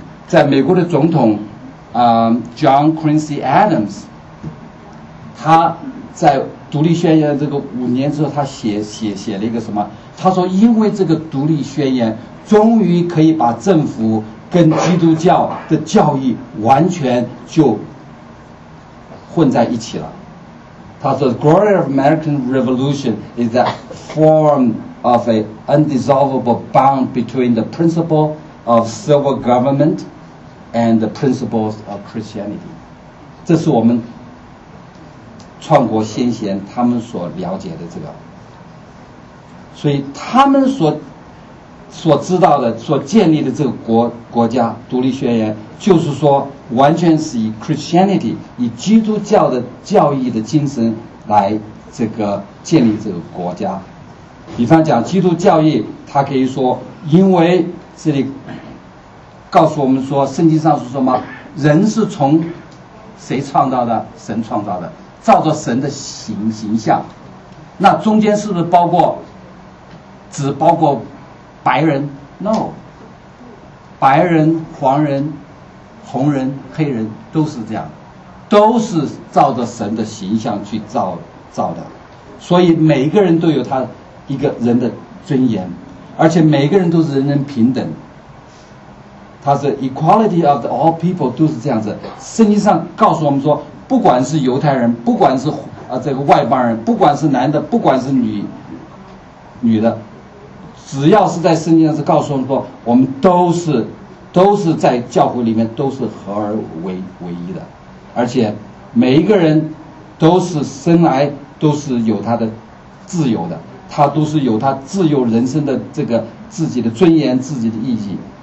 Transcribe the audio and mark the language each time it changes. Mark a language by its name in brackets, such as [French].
[Chinese] 在美国的总统John Quincy Adams， 他在独立宣言这个5年之后，他写了一个什么，他说因为这个独立宣言终于可以把政府跟基督教的教义完全就混在一起了。 [English] 他说 The glory of American Revolution is that form of an undissolvable bond between the principle of civil government and the principles of Christianity。 [Chinese] 这是我们创国先贤他们所了解的这个，所以他们所知道的所建立的这个国家独立宣言，就是说完全是以 Christianity 以基督教的教义的精神来这个建立这个国家。比方讲基督教义，他可以说因为这里告诉我们说圣经上是什么，人是从谁创造的，神创造的，照着神的形象，那中间是不是包括只包括白人 ？No， 白人、黄人、红人、黑人都是这样，都是照着神的形象去造的。所以每一个人都有他一个人的尊严，而且每个人都是人人平等。他是 [English] equality of all people， [Chinese] 都是这样子。圣经上告诉我们说，不管是犹太人，不管是这个外邦人，不管是男的，不管是女的，只要是在圣经上是告诉我们说，我们都是都是在教会里面都是合而为唯一的，而且每一个人都是生来都是有他的自由的，他都是有他自由人生的这个自己的尊严、自己的意义。